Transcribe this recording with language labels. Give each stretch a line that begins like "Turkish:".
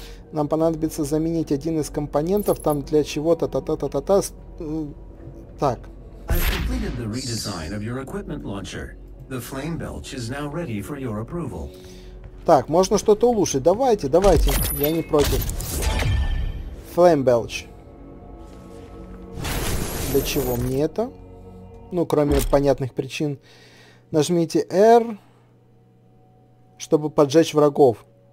Russian: Нам понадобится заменить один из компонентов там для чего-то, та-та-та-та-та. Так.
English: I've completed the redesign of your equipment launcher. The flame belch is now ready for your approval.
Russian: Так, можно что-то улучшить. Давайте. Я не против. Flame belch. Для чего мне это? Ну, кроме понятных причин. Нажмите R, чтобы поджечь врагов.